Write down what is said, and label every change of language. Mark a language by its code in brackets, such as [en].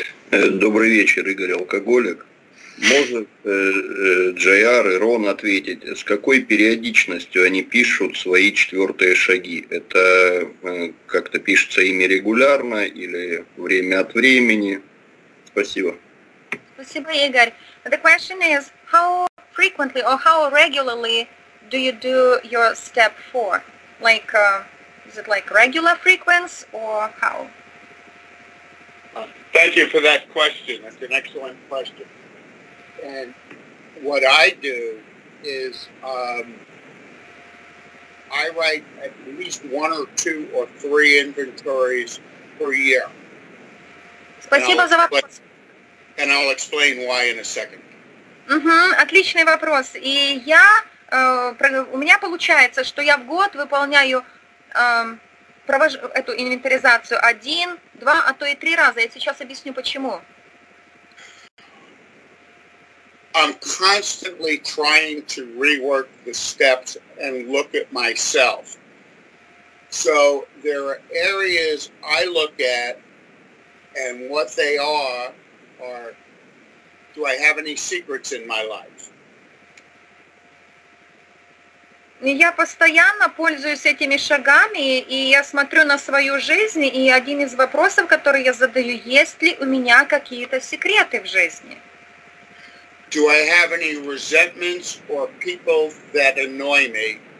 [ru] Добрый вечер, Игорь, алкоголик. Может Джайар и Рон ответить, с какой периодичностью они пишут свои четвертые шаги? Это как-то пишется ими регулярно или время от времени? Спасибо. Спасибо, Игорь. [en] The question is, how frequently or how regularly do you do your step four? Like, is it like regular frequency or how? Thank you for that question. That's an excellent question. And what I do is I write at least one or two or three inventories per year. [ru] Спасибо за вопрос. [en] And I'll explain why in a second. [ru] Отличный вопрос. И я, у меня получается, что я в год выполняю, провожу эту инвентаризацию один, два, а то и три раза. Я сейчас объясню, почему. [en] I'm constantly trying to rework the steps and look at myself. So there are areas I look at, and what they are, do I have any secrets in my life? [ru] Я постоянно пользуюсь этими шагами, и я смотрю на свою жизнь, и один из вопросов, который я задаю, есть ли у меня какие-то секреты в жизни? [en] Do I have any resentments or people that annoy me?